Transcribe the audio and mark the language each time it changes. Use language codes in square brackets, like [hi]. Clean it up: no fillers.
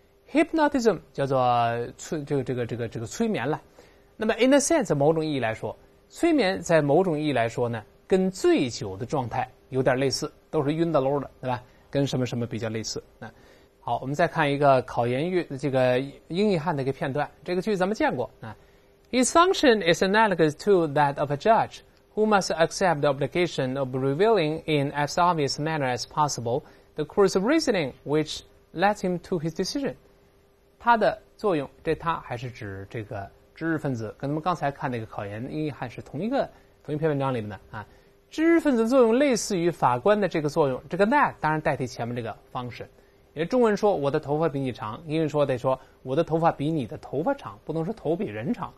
[zh] Hypnotism 叫做这个催眠了。那么 [en] in a sense [zh] 某种意义来说，催眠在某种意义来说呢，跟醉酒的状态有点类似，都是晕的喽的，对吧？跟什么什么比较类似。那好，我们再看一个考研语这个英译汉的一个片段，这个句咱们见过啊。 [en] His function is analogous to that of a judge. Who must accept the obligation of revealing in as obvious manner as possible the course of reasoning which led him to his decision? [zh] 他的作用，这他还是指这个知识分子，跟他们刚才看那个考研英译汉是同一篇文章里面的啊。知识分子作用类似于法官的这个作用，这个 that 当然代替前面这个 function。因为中文说我的头发比你长，英语说得说我的头发比你的头发长，不能说头比人长。